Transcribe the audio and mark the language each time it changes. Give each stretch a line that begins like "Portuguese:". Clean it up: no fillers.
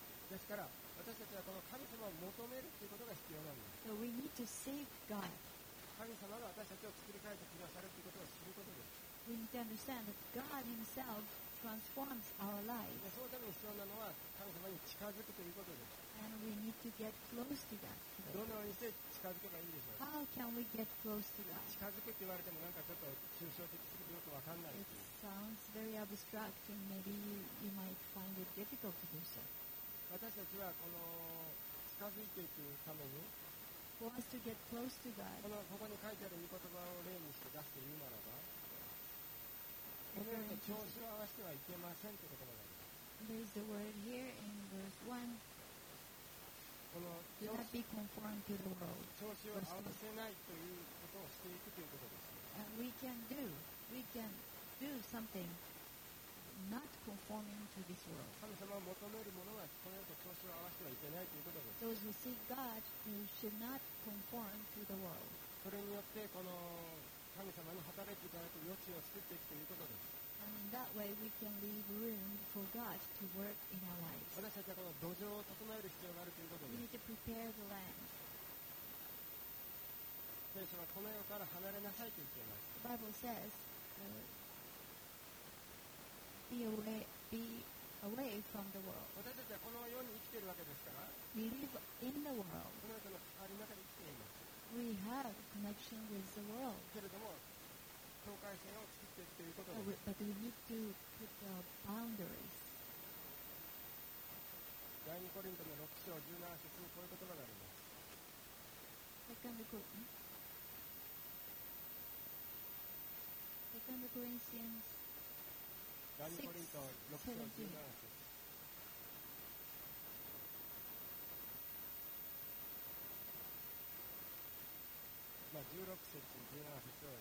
Japanese: ですから、私たちはこの神様を求めるっていうことが必要なんです。
English: So we need to seek God.
Japanese: 神様が私たちを作り変えてくださるっていうことを知ることです。
English: We need to understand that God Himself transforms our lives.
Japanese: そのために必要なのは神様に近づくということです。
English: And we need to get close to God.
Japanese: どのようにして近づけばいいでしょう。
English: How can we get close to God?
Japanese: 近づくって言われてもなんかちょっと抽象的すぎてよくわかんない。
English: It sounds very abstract and maybe you might find it difficult to do so.
Japanese: 私たちはこの近づいていくために
English: for us to get close to God.
Japanese: このここに書いてある御言葉を例にして出して言うならば、このように調子を合わせてはいけませんという言葉があります。
English: There is a word here in verse 1.
Japanese: この
English: Do not be conformed to the world.
Japanese: 調子を合わせないということをしていくということです。
English: And we can do. We can do something. Not conforming to this world.
Japanese: 神様を求めるものはこのように調子を合わせてはいけないということです。
English: Those who seek God, they should not conform to the world.
Japanese: それによってこの神様に働いていただく余地を作っていくということです。
English: And in that way, we can leave room for God to work in our lives.
Japanese: 私たちはこの土壌を整える必要があるということです。
English: We need to prepare the land.
Japanese: 聖書はこの世から離れなさいと言っています。
English: The Bible says. Be away from the world.
Japanese: 私たちはこの世に生きているわけですから。
English: We live in the world.
Japanese: この世の関わりの中で生きています。
English: We have connection with the world.
Japanese: けれども、境界線を作っていくということです。
English: But we need to put the boundaries.
Japanese: 第二コリントの6章17節にこういう言葉があります。
English: Second Corinthians.
Japanese: 第2コリント6章17節まあ16節17節を読みします